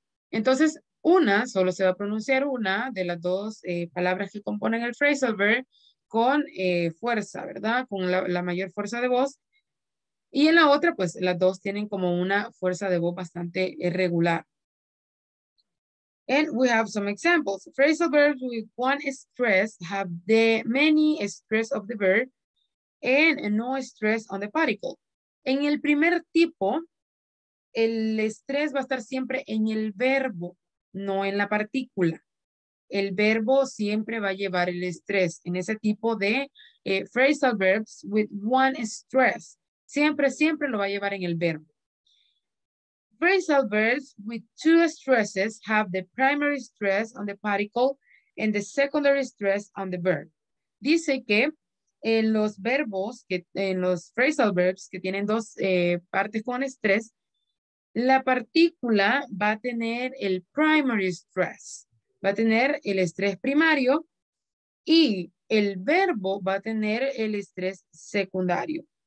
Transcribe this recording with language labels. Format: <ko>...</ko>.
<es>Entonces, una, solo se va a pronunciar una de las dos palabras que componen el phrasal verb con fuerza, ¿verdad? Con la mayor fuerza de voz. Y en la otra, pues, las dos tienen como una fuerza de voz bastante irregular.</es> <en>And we have some examples. Phrasal verbs with one stress have the many stress of the verb and no stress on the particle.</en> <es>En el primer tipo, el estrés va a estar siempre en el verbo, no en la partícula. El verbo siempre va a llevar el estrés en ese tipo de</es> <en>phrasal verbs with one stress.</en> <es>Siempre, siempre lo va a llevar en el verbo.</es> <en>Phrasal verbs with two stresses have the primary stress on the particle and the secondary stress on the verb.</en> <es>Dice que en los verbos, que, en los phrasal verbs que tienen dos partes con estrés, la partícula va a tener el</es> <en>primary stress,</en> <es>va a tener el estrés primario y el verbo va a tener el estrés secundario.</es>